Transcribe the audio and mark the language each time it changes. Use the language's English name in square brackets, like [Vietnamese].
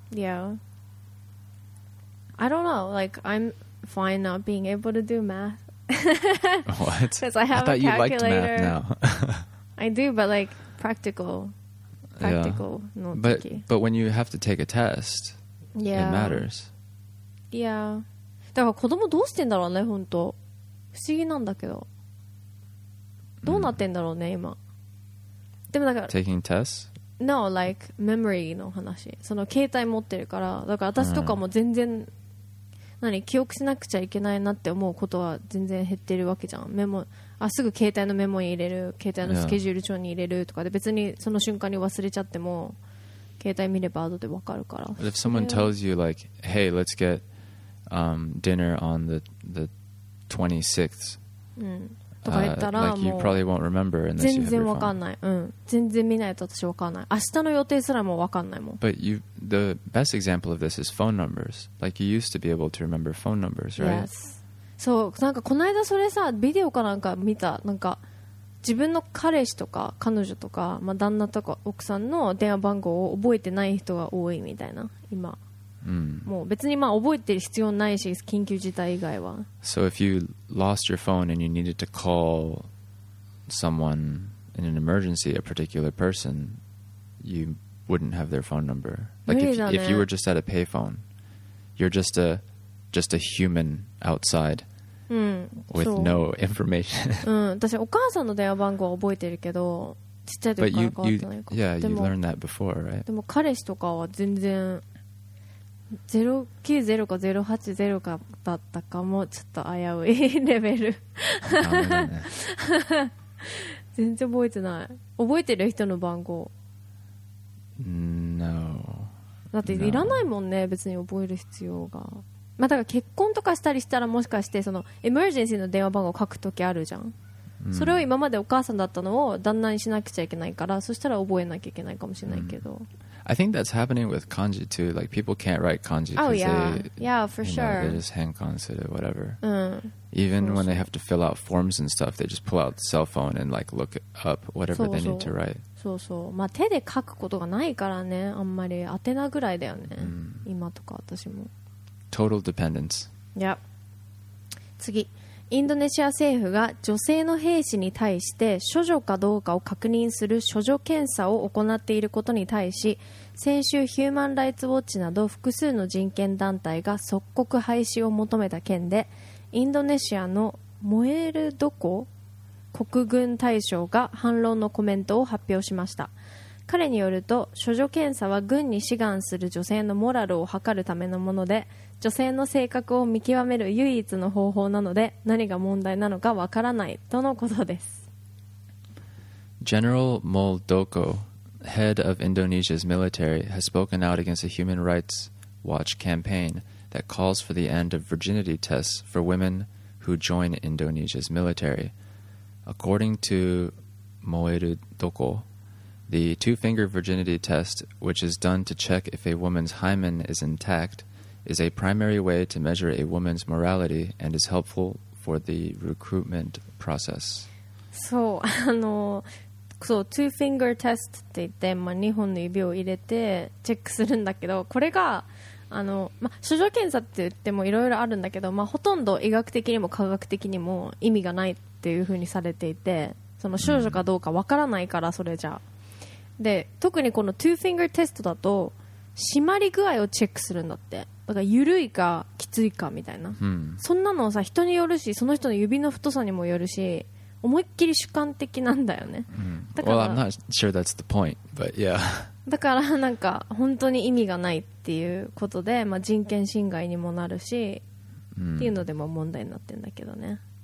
[English] Yeah. I don't know. Like, I'm fine not being able to do math. What? Because I have a calculator. I thought you liked math now. I do, but like practical. Yeah. Not but tricky. But when you have to take a test, yeah, it matters. Yeah. [Japanese] だから子供どうしてんだろうね、本当。不思議なんだけど。どうなってんだろうね、今。でもだから。 [English] Taking tests? No, like memory [Japanese] の話。その携帯持ってるから、だから私とかも全然、何、記憶しなくちゃいけないなって思うことは全然減ってるわけじゃん。メモ、あ、すぐ携帯のメモに入れる、携帯のスケジュール帳に入れるとかで、別にその瞬間に忘れちゃっても、携帯見れば後でわかるから。 [English] But if someone tells you like, hey, let's get dinner on the 26th. Like you probably won't remember unless you have your phone. [Japanese] 全然見ないと私わかんない。明日の予定すらもわかんないもん。 [English] But you, the best example of this is phone numbers. Like you used to be able to remember phone numbers, right? Yes. [Japanese] そう、なんかこの間それさ、ビデオかなんか見た、なんか自分の彼氏とか彼女とか、まあ、旦那とか奥さんの電話番号を覚えてない人が多いみたいな、今。もう別にまあ覚えてる必要ないし、緊急事態以外は。 [English] So if you lost your phone and you needed to call someone in an emergency, a particular person, you wouldn't have their phone number. Like if you were just at a payphone, you're just a human outside with no information. [Japanese] 私お母さんの電話番号は覚えてるけど、ちっちゃい時から変わってないか。 [English] Yeah, you learned that before, right? [Japanese] でも彼氏とかは全然090か080かだったかもちょっと危ういレベル全然覚えてない。覚えてる人の番号 [English] No [Japanese] だっていらないもんね、別に覚える必要が。まあだから結婚とかしたりしたら、もしかしてそのエマージェンシーの電話番号書くときあるじゃん、それを今までお母さんだったのを旦那にしなくちゃいけないから、そしたら覚えなきゃいけないかもしれないけど、 [English] I think that's happening with kanji too. Like people can't write kanji because they just hand kanji or whatever. Even when they have to fill out forms and stuff, they just pull out the cell phone and like look up whatever they need to write. [Japanese] そうそう。まあ手で書くことがないからね、あんまり宛名ぐらいだよね。今とか私も。 [English] Total dependence. Yep. [Japanese] 次、インドネシア政府が女性の兵士に対して処女かどうかを確認する処女検査を行っていることに対し、先週ヒューマンライツウォッチなど複数の人権団体が即刻廃止を求めた件で、インドネシアのモエルドコ国軍大将が反論のコメントを発表しました。彼によると処女検査は軍に志願する女性のモラルを測るためのもので、女性の性格を見極める唯一の方法なので何が問題なのかわからないとのことです。 [English] General Muldoko, head of Indonesia's military, has spoken out against a human rights watch campaign that calls for the end of virginity tests for women who join Indonesia's military. According to Muldoko, the two-finger virginity test, which is done to check if a woman's hymen is intact,is a primary way to measure a woman's morality and is helpful for the recruitment process. [Japanese] そう、そう、two finger test って言って、まあ、2本の指を入れてチェックするんだけど、これが、まあ、処女検査って言ってもいろいろあるんだけど、まあ、ほとんど医学的にも科学的にも意味がないっていうふうにされていて、その処女かどうかわからないから、それじゃ。で、特にこの two finger test だと、締まり具合をチェックするんだって。だから緩いかきついかみたいな、そんなのさ人によるし、その人の指の太さにもよるし、思いっきり主観的なんだよね。だから [English] Well, I'm not sure that's the point, but yeah. [Japanese] だからなんか本当に意味がないっていうことで、まあ、人権侵害にもなるし、うん、っていうのでも問題になってるんだけどね。